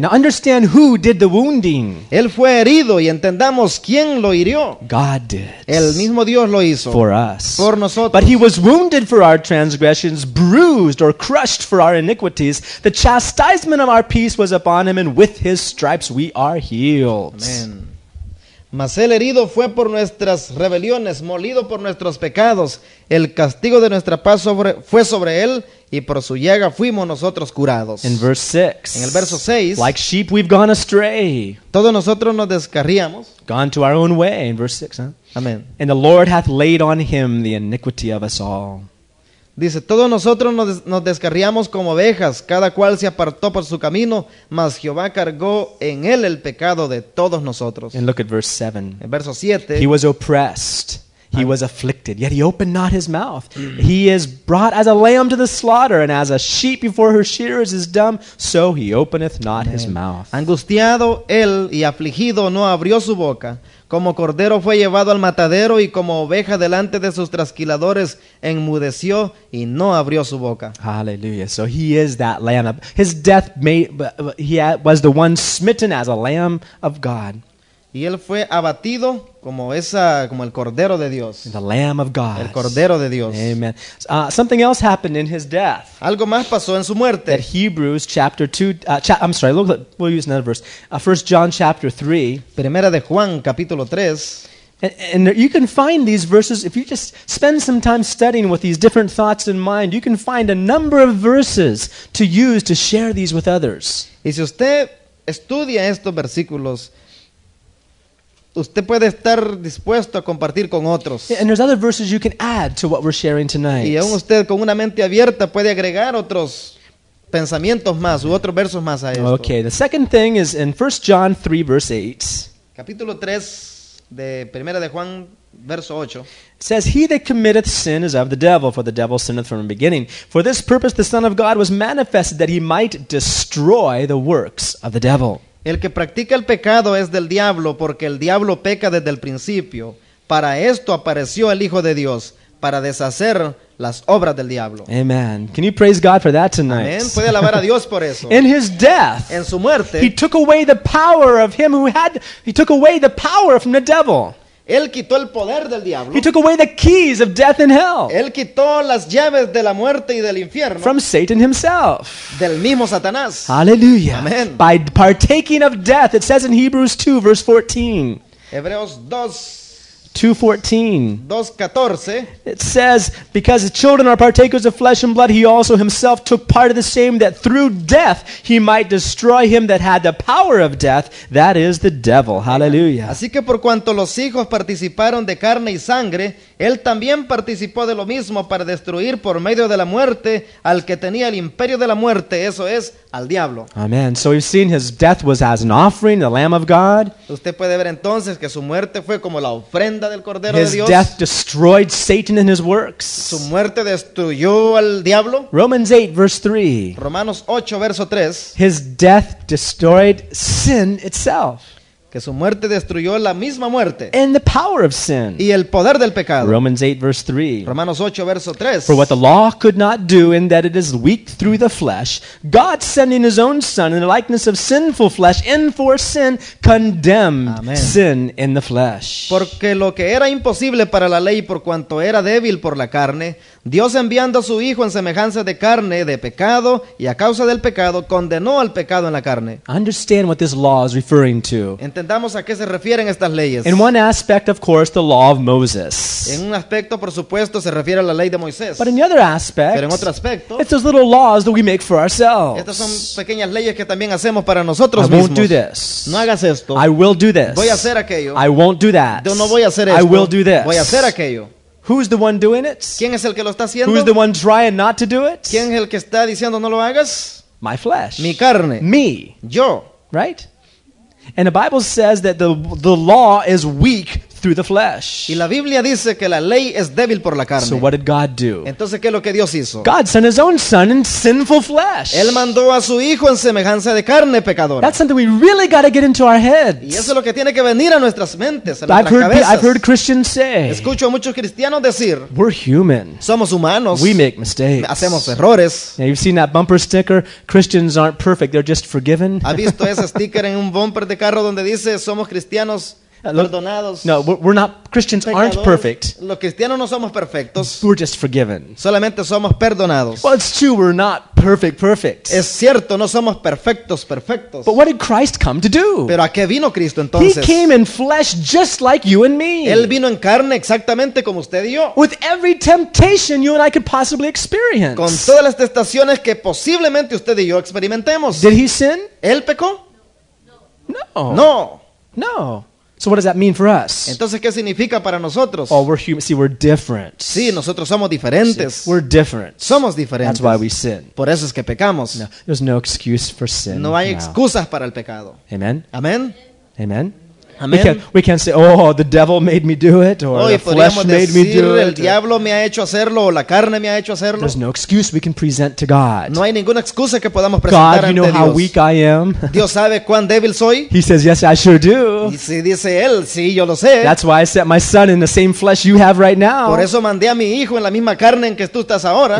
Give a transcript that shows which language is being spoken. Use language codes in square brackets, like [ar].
[en] Now understand who did the wounding. [es] Él fue herido y entendamos quién lo hirió. [en] God did. [es] El mismo Dios lo hizo. [en] For us. [es] Por nosotros. [en] But he was wounded for our transgressions, bruised or crushed for our iniquities. The chastisement of our peace was upon him, and with his stripes we are healed. Amen. [es] Mas el herido fue por nuestras rebeliones, molido por nuestros pecados. El castigo de nuestra paz fue sobre él, y por su llaga fuimos nosotros curados. [en] In verse 6, [es] en el verso 6, [en] like sheep we've gone astray. [es] Todos nosotros nos descarríamos. [en] Gone to our own way, in verse 6. Huh? Amen. And the Lord hath laid on him the iniquity of us all. [es] Dice, todos nosotros nos descarriamos como ovejas, cada cual se apartó por su camino, mas Jehová cargó en él el pecado de todos nosotros. [en] And look at verse 7. [es] En verso 7. [en] He was oppressed, he was afflicted, yet he opened not his mouth. He is brought as a lamb to the slaughter, and as a sheep before her shearers is dumb, so he openeth not his mouth. [es] Angustiado él y afligido no abrió su boca. Como cordero fue llevado al matadero, y como oveja delante de sus trasquiladores enmudeció y no abrió su boca. [en] Hallelujah. So he is that lamb. His death was the one smitten as a lamb of God. [es] Y él fue abatido como el cordero de Dios. [en] The lamb of God. [es] El cordero de Dios. [en] Amen. Something else happened in his death. [es] Algo más pasó en su muerte. [en] At Hebrews chapter 2, we'll use another verse. 1 John chapter 3. [es] Primera de Juan capítulo 3. [en] And you can find these verses, if you just spend some time studying with these different thoughts in mind, you can find a number of verses to use to share these with others. [es] Y si usted estudia estos versículos, usted puede estar dispuesto a compartir con otros. [en] And there's other verses you can add to what we're sharing tonight. [es] Y aún usted con una mente abierta puede agregar otros pensamientos más u otros versos más a esto. [en] Okay, the second thing is in 1 John 3 verse 8. [es] Capítulo 3 de Primera de Juan verso 8. [en] It says, he that committeth sin is of the devil, for the devil sinneth from the beginning. For this purpose the Son of God was manifested, that he might destroy the works of the devil. [es] El que practica el pecado es del diablo, porque el diablo peca desde el principio. Para esto apareció el Hijo de Dios, para deshacer las obras del diablo. [en] Amen. Can you praise God for that tonight? Amen. [es] Puede alabar a Dios por eso. [en] In his death, [es] en su muerte, [en] he took away the power of him who had, he took away the power from the devil. [es] Él quitó el poder del diablo. [en] He took away the keys of death and hell. [es] Él quitó las llaves de la muerte y del infierno. [en] From Satan himself. [es] Del mismo Satanás. [en] Hallelujah. Amen. By partaking of death, it says in Hebrews 2, verse 14. [es] Hebreos 2. 2:14. [en] It says, because the children are partakers of flesh and blood, he also himself took part of the same, that through death he might destroy him that had the power of death, that is the devil. Hallelujah. [es] Así que por cuanto los hijos participaron de carne y sangre, él también participó de lo mismo para destruir por medio de la muerte al que tenía el imperio de la muerte, eso es, al diablo. [en] Amen. So we've seen his death was as an offering, the Lamb of God. [es] Usted puede ver entonces que su muerte fue como la ofrenda del Cordero [en] his [es] de Dios. [en] His death destroyed Satan and his works. [es] Su muerte destruyó al diablo. [en] Romans 8, verse 3. [es] Romanos 8, verso 3. [en] His death destroyed sin itself. [es] Que su muerte destruyó la misma muerte. [en] And the power of sin. [es] Y el poder del pecado. [en] Romans 8, verse 3. [es] Romanos 8, verso 3. [en] For what the law could not do, in that it is weak through the flesh, God sending his own Son in the likeness of sinful flesh, and for sin, condemned sin in the flesh. [es] Porque lo que era imposible para la ley, por cuanto era débil por la carne, Dios enviando a su Hijo en semejanza de carne, de pecado, y a causa del pecado, condenó al pecado en la carne. [en] Understand what this law is referring to. [es] Entendamos a qué se refieren estas leyes. [en] In one aspect, of course, the law of Moses. [es] En un aspecto, por supuesto, se refiere a la ley de Moisés. [en] But in the other aspect, [es] pero en otro aspecto, [en] it's those little laws that we make for ourselves. [es] Estas son pequeñas leyes que también hacemos para nosotros mismos. [en] I won't do this. [es] No hagas esto. [en] I will do this. [es] Voy a hacer aquello. [en] I won't do that. [es] No voy a hacer esto. [en] I will do this. [es] Voy a hacer aquello. [en] Who's the one doing it? [es] ¿Quién es el que lo está haciendo? [en] Who's the one trying not to do it? [es] ¿Quién es el que está diciendo no lo hagas? [en] My flesh. [es] Mi carne. [en] Me. [es] Yo. [en] Right? And the Bible says that the law is weak through the flesh. [es] Y la Biblia dice que la ley es débil por la carne. [en] So what did God do? [es] Entonces, ¿qué es lo que Dios hizo? [en] God sent his own son in sinful flesh. [es] Él mandó a su hijo en semejanza de carne pecadora. [en] That's something we really got to get into our heads. [es] Y eso es lo que tiene que venir a nuestras mentes, a nuestras cabezas. [en] I've heard Christians say, [es] escucho a muchos cristianos decir, [en] we're human. [es] Somos humanos. [en] We make mistakes. [es] Hacemos errores. [en] Now, you've seen that bumper sticker, Christians aren't perfect, they're just forgiven. [es] ¿Ha visto ese sticker en un bumper de carro donde dice, somos cristianos? [en] No, we're not, Christians [es] pecadores, [en] aren't perfect. [es] Los cristianos no somos perfectos. [en] We're just forgiven. [es] Solamente somos perdonados. [en] Well, it's true, we're not perfect, perfect. [es] Es cierto, no somos perfectos, perfectos. [en] But what did Christ come to do? [es] ¿Pero a qué vino Cristo, entonces? [en] He came in flesh just like you and me. [es] Él vino en carne exactamente como usted y yo. [en] With every temptation you and I could possibly experience. [es] Con todas las tentaciones que posiblemente usted y yo experimentemos. [en] Did he sin? [es] ¿Él pecó? [en] No. [es] No. [en] No. So what does that mean for us? [es] Entonces, ¿qué significa para nosotros? [en] Oh, we're human. See, we're different. [es] Sí, nosotros somos diferentes. [en] See, we're different. [es] Somos diferentes. [en] That's why we sin. [es] Por eso es que pecamos. [en] No, there's no excuse for sin. [es] No hay excusas para el pecado. [en] Amen. Amen. Amen. Amen. We can't say, oh, the devil made me do it, or [es] hoy, [en] the flesh made me do [es] el [en] it. [es] El diablo me ha hecho hacerlo, o la carne me ha hecho hacerlo. [en] There's no excuse we can present to God. [es] No hay ninguna excusa que podamos presentar [en] God, you know [es] Dios. [en] How weak I am. [es] Dios sabe cuán débil soy. [en] He says, yes, I sure do. [es] Y si dice él, sí, yo lo sé. [en] That's why I sent my son in the same flesh you have right now. [es] Por eso mandé a mi hijo en la misma carne en que tú estás ahora.